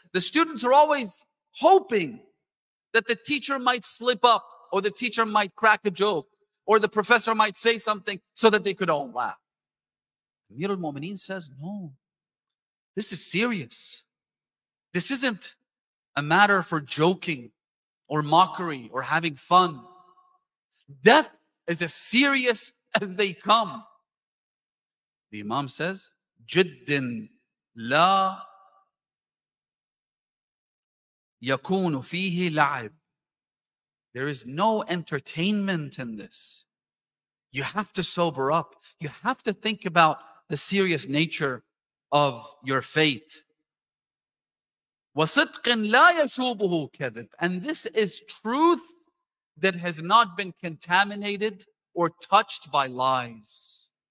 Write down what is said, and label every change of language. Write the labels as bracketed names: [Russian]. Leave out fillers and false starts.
[English] The students are always hoping that the teacher might slip up, or the teacher might crack a joke, or the professor might say something so that they could all laugh. Amir al-Mu'mineen says, no, this is serious. This isn't a matter for joking or mockery or having fun. Death is as serious as they come. The Imam says, [Arabic] جِدٍ لَا يَكُونُ فِيهِ لَعِبٌ. [English] There is no entertainment in this. You have to sober up. You have to think about the serious nature of your fate. [Arabic] وَصِدْقٍ لَا يَشُوبُهُ كَذِبٌ. [English] And this is truth that has not been contaminated or touched by lies.